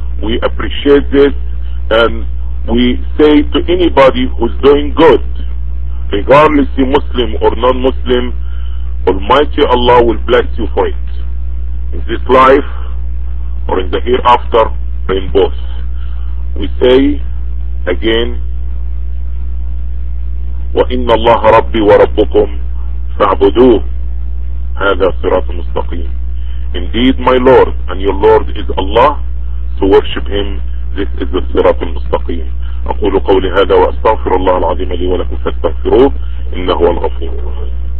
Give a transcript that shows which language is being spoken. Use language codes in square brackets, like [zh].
[en] We appreciate this, and we say to anybody who's doing good, regardless you Muslim or non-Muslim, Almighty Allah will bless you for it, in this life or in the hereafter, or in both. We say again, [ar] وَإِنَّ اللَّهَ رَبِّي وَرَبُّكُمْ فَاعْبُدُوهُ هَذَا صِرَاطٌ مُسْتَقِيمٌ. [en] Indeed, my Lord and your Lord is Allah, so worship Him. This is the Sirat al-Mustaqim. [ar] أقول قولي هذا وأستغفر الله العظيم لي ولكم فاستغفروه إنه هو الغفور الرحيم.